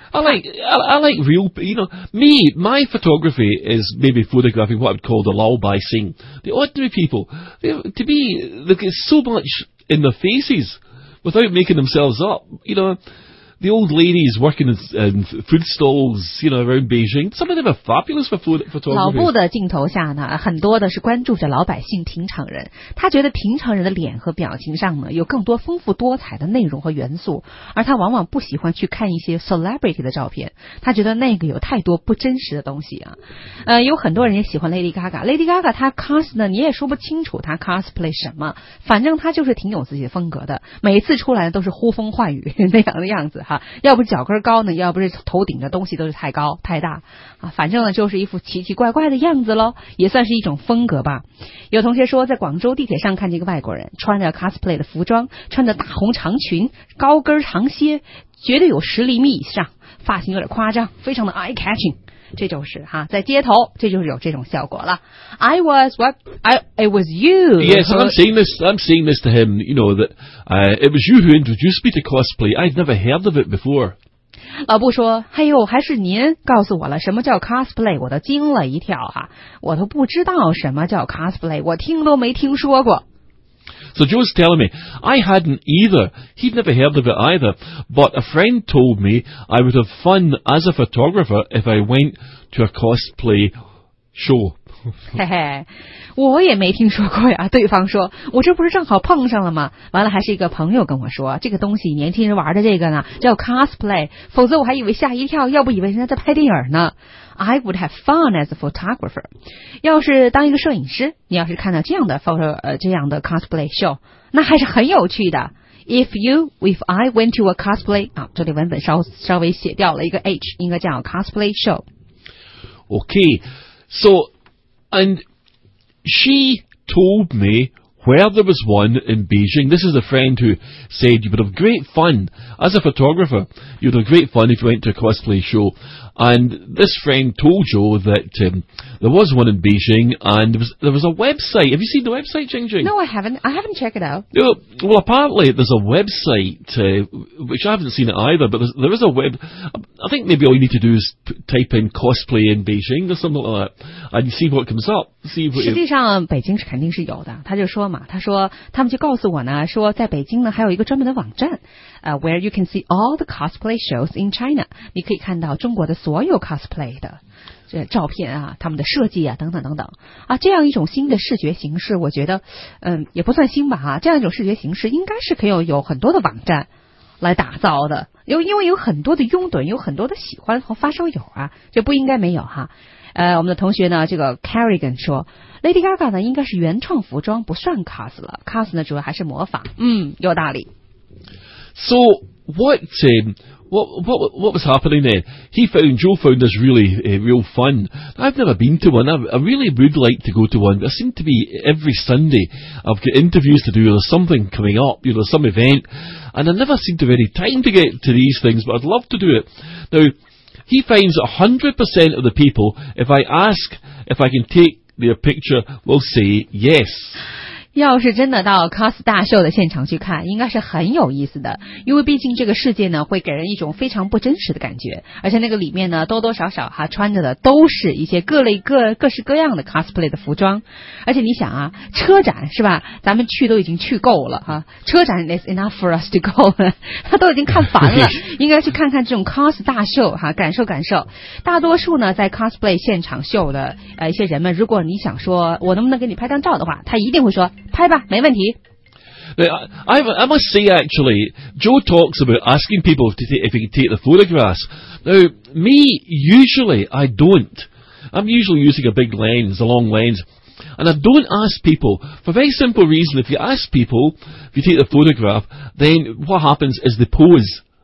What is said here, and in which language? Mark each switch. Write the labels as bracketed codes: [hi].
[en] I like real, you know, my photography is maybe photographing what I would call the lullaby scene. The ordinary people, to me, look, it's so much in their faces without making themselves up, you know. The old ladies working in food stalls, you know, around Beijing. Some of them are fabulous for photography. [zh] 老布的镜头下呢，很多的是关注着老百姓、平常人。他觉得平常人的脸和表情上呢，有更多丰富多彩的内容和元素。而他往往不喜欢去看一些 celebrity 的照片，他觉得那个有太多不真实的东西啊。有很多人也喜欢 Lady Gaga。Lady Gaga 她 cos 呢，你也说不清楚她 cosplay 什么，反正她就是挺有自己风格的。每次出来都是呼风唤雨那样的样子。哈，要不是脚跟高呢，要不是头顶的东西都是太高太大啊，反正呢就是一副奇奇怪怪的样子咯，也算是一种风格吧。有同学说在广州地铁上看见一个外国人穿着 cosplay 的服装，穿着大红长裙，高跟长靴，绝对有十厘米以上，发型有点夸张，非常的 [en] eye catching。 [zh] 这就是哈，在街头，这就是有这种效果了。 [en] It was you. Yes, I'm saying this to him. You know that it was you who introduced me to cosplay. I'd never heard of it before. [zh] 老布说：“哎呦，还是您告诉我了什么叫 cosplay， 我都惊了一跳哈，我都不知道什么叫 cosplay， 我听都没听说过。” [en] So Joe's telling me I hadn't either. He'd never heard of it either. But a friend told me I would have fun as a photographer if I went to a cosplay show. [zh] 嘿嘿，我也没听说过呀。对方说，我这不是正好碰上了吗？完了，还是一个朋友跟我说，这个东西年轻人玩的这个呢，叫 cosplay。否则我还以为吓一跳，要不以为人家在拍电影呢。 [en] I would have fun as a photographer. [zh] 要是当一个摄影师，你要是看到这样的 photo, 这样的 cosplay show, 那还是很有趣的。 [en] If I went to a cosplay, [zh] 啊，这里文本稍微写掉了一个 H, 应该叫 cosplay show. [en] Okay, so, and she told me where there was one in Beijing. This is a friend who said you would have great fun as a photographer. You'd have great fun if you went to a cosplay show. And this friend told Joe that there was one in Beijing, and there was a website. Have you seen the website, Jing Jing? No, I haven't. I haven't checked it out. You know, well, apparently there's a website, which I haven't seen it either, but there is a web... I think maybe all you need to do is type in cosplay in Beijing or something like that, and see what comes up. See what [zh] 实际上北京是肯定是有的。他就说嘛，他说他们就告诉我呢，说在北京呢还有一个专门的网站。 [en] Where you can see all the cosplay shows in China. [zh] 你可以看到中国的所有 cosplay 的这照片啊，他们的设计啊，等等等等。啊，这样一种新的视觉形式，我觉得，也不算新吧啊，这样一种视觉形式应该是可以有很多的网站来打造的。因为有很多的拥趸，有很多的喜欢和发烧友啊，就不应该没有哈。我们的同学呢，这个 Carrigan 说 ，Lady Gaga 呢应该是原创服装，不算 cos 了 ，cos 呢主要还是模仿。嗯，有道理。 [en] So what was happening then? Joe found this really real fun. I've never been to one. I really would like to go to one. It seemed to be every Sunday. I've got interviews to do or something coming up, you know, some event. And I never seem to have any time to get to these things, but I'd love to do it. Now, he finds 100% of the people, if I ask if I can take their picture, will say yes. [zh] 要是真的到 cos 大秀的现场去看，应该是很有意思的，因为毕竟这个世界呢会给人一种非常不真实的感觉，而且那个里面呢多多少少哈穿着的都是一些各类各式各样的 cosplay 的服装。而且你想啊，车展是吧，咱们去都已经去够了哈、啊、车展 [en] is enough for us to go [zh] 他都已经看烦了应该去看看这种 cos 大秀哈、啊、感受感受。大多数呢在 cosplay 现场秀的一些人们，如果你想说我能不能给你拍张照的话，他一定会说拍吧，没问题。 [en] I must say, actually, Joe talks about asking people if he can take the photographs. Now, me, usually, I don't. I'm usually using a big lens, a long lens, and I don't ask people for a very simple reason. If you ask people if you take the photograph, then what happens is they pose.